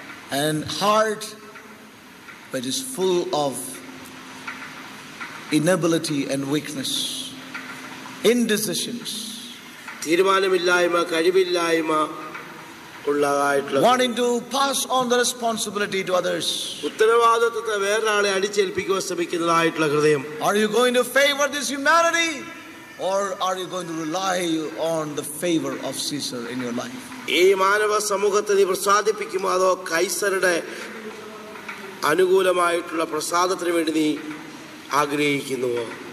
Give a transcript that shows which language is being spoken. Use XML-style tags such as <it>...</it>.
<en>And heart which is full of inability and weakness. Indecisions.</en> <ml>Thirumanam illayma, kazhivillayma,</ml> <en>wanting to pass on the responsibility to others.</en> <ml>ഉത്തരവാദിത്വത്തെ വേറൊരാളെ അടിച്ചേൽപ്പിക്കാൻ ശ്രമിക്കുന്നതായിട്ടുള്ള ഹൃദയം.</ml> <en>Are you going to favor this humanity, or are you going to rely on the favor of Caesar in your life?</en> <ml>ഈ മാനവ സമൂഹത്തെ നീ പ്രസാദിപ്പിക്കുമോ അതോ കൈസറുടെ അനുകൂലമായിട്ടുള്ള പ്രസാദത്തിന് വേണ്ടി നീ ആഗ്രഹിക്കുന്നുവോ?</ml>